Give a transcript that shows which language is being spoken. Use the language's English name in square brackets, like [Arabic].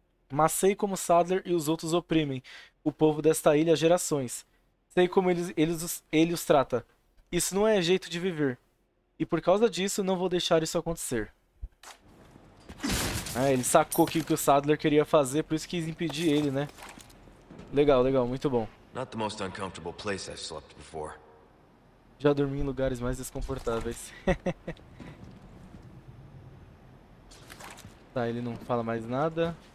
[Portuguese] Mas sei como Saddler e os outros oprimem o povo desta ilha há gerações. Sei como ele os trata. Isso não é jeito de viver. E por causa disso, não vou deixar isso acontecer. Ah, ele sacou o que o Saddler queria fazer, por isso quis impedir ele, né? Legal, legal, muito bom. [English] Not the most uncomfortable place I've slept before. [Portuguese] Já dormi em lugares mais desconfortáveis. Tá, ele não fala mais nada.